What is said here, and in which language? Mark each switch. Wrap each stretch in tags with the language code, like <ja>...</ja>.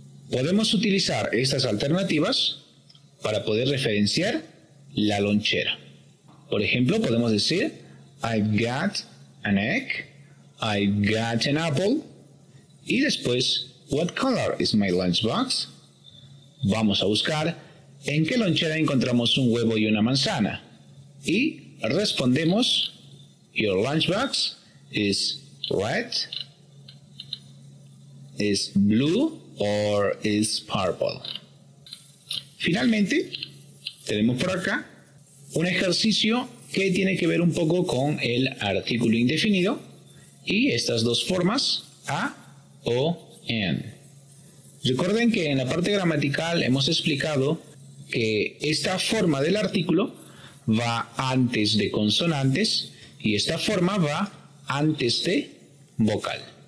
<es>Podemos utilizar estas alternativas para poder referenciar la lonchera. Por ejemplo, podemos decir,</es> <en>I've got an egg, I've got an apple,</en> <es>y después,</es> <en>what color is my lunchbox?</en> <es>Vamos a buscar en qué lonchera encontramos un huevo y una manzana. y respondemos,</es> <en>your lunchbox is red, is blue, or is purple.</en> <es>Finalmente, tenemos por acá un ejercicio que tiene que ver un poco con el artículo indefinido y estas dos formas, a, o, en. Recuerden que en la parte gramatical hemos explicado que esta forma del artículo va antes de consonantes y esta forma va antes de vocal.</es>